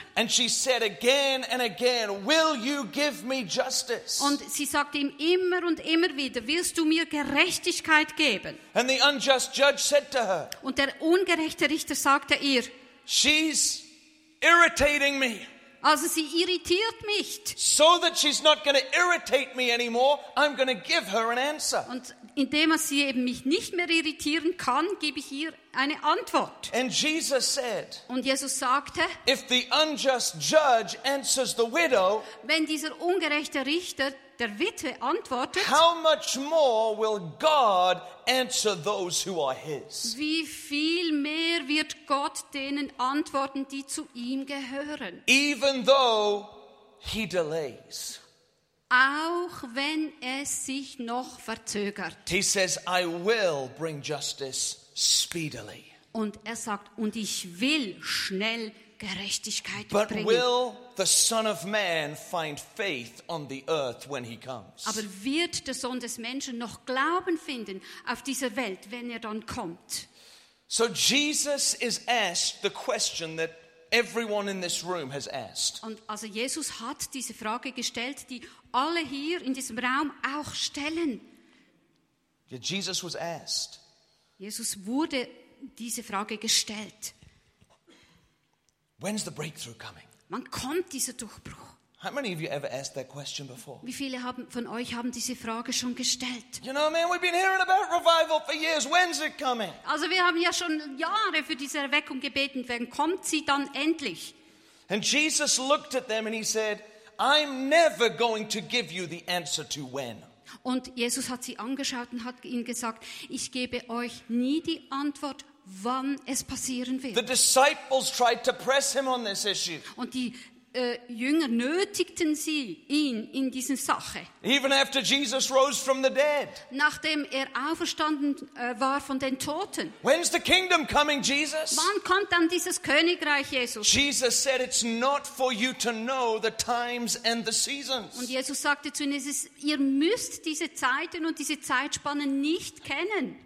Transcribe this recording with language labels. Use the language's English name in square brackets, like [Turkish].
[English] And she said again and again, will you give me justice? [German] Und sie sagte ihm immer und immer wieder, willst du mir Gerechtigkeit geben? [English] And the unjust judge said to her, [German] und der ungerechte Richter sagte ihr, [English] she's irritating me. [German] Also sie irritiert mich. [English] So that she's not going to irritate me anymore, I'm going to give her an answer. [German] Und indem sie eben mich nicht mehr irritieren kann, gebe ich ihr eine Antwort. [English] And Jesus said, [German] und Jesus sagte, [English] if the unjust judge answers the widow, [German] wenn dieser ungerechte Richter der Witwe antwortet, [English] how much more will God answer those who are his? [German] Wie viel mehr wird Gott denen antworten, die zu ihm gehören? [English] Even though he delays. [German] Auch wenn es sich noch verzögert. [English] He says, I will bring justice speedily. [German] Und er sagt, und ich will schnell Gerechtigkeit [English] but [German] bringen. [English] Will the Son of Man find faith on the earth when he comes? [German] Aber wird der Sohn des Menschen noch Glauben finden auf dieser Welt, wenn er dann kommt? [English] So Jesus is asked the question that everyone in this room has asked. [German] Und also Jesus hat diese Frage gestellt, die alle hier in diesem Raum auch stellen. [English] Yeah, Jesus was asked. [German] Jesus wurde diese Frage gestellt. [English] When's the breakthrough coming? [German] Wann kommt dieser Durchbruch? [English] How many of you ever asked that question before? [German] Wie viele von euch haben diese Frage schon gestellt? [English] You know, man, we've been hearing about revival for years. When's it coming? [German] Also, wir haben ja schon Jahre für diese Erweckung gebeten. Wann kommt sie dann endlich? [English] And Jesus looked at them and he said, I'm never going to give you the answer to when. [German] Und Jesus hat sie angeschaut und hat ihnen gesagt, ich gebe euch nie die Antwort, wann es passieren wird. [English] The disciples tried to press him on this issue. [German] Und die Jünger nötigten sie ihn in diese Sache. [English] Even after Jesus rose from the dead. [German] Nachdem er auferstanden war von den Toten. [English] When's the kingdom coming, Jesus? [German] Wann kommt dann dieses Königreich, Jesus? [English] Jesus said, it's not for you to know the times and the seasons. [German] Und Jesus sagte zu ihnen, ihr müsst diese Zeiten und diese Zeitspannen nicht kennen.